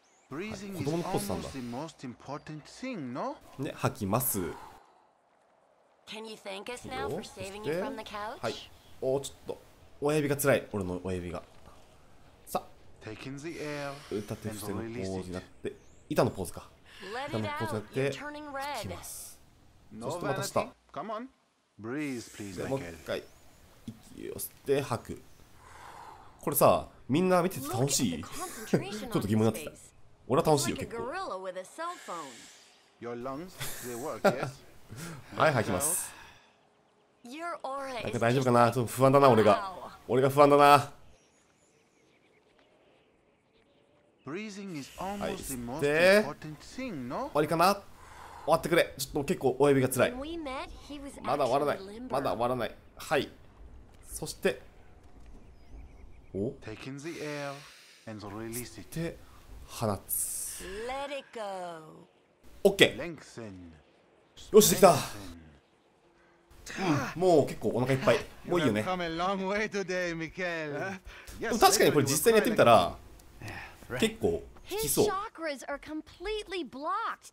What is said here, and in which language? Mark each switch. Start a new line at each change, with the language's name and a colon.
Japanese: 子供のポーズなんだね。吐きます。
English: Can you thank us now for saving you from the couch?
Japanese: はい。おお、ちょっと親指が辛い。俺の親指が。さあ、
English: Taking the air,
Japanese: 歌って伏せのポーズになって、板のポーズか。板のポーズになって吐きます。
English: No、
Japanese: そしてまた下。
English: Come on. Breathe, please,
Japanese: もう一回息を吸って吐く。これさ、みんな見てて楽しい？ちょっと疑問になってた。俺は楽しいよ、結構。はい、吐きます。なんか大丈夫かな？ちょっと不安だな、俺が。俺が不安だな。はい、吸って、終わりかな？終わってくれ。ちょっと結構親指がつらい。まだ終わらない、まだ終わらない。はい、そしてを
English: Take in the air and release it.
Japanese: で、放つ。
English: Let it go. OK! Lengthen.
Japanese: よし、できた。もう結構お腹いっぱい。もういいよね。確かにこれ実際にやってみたら結構引きそう。
English: His chakras are completely blocked.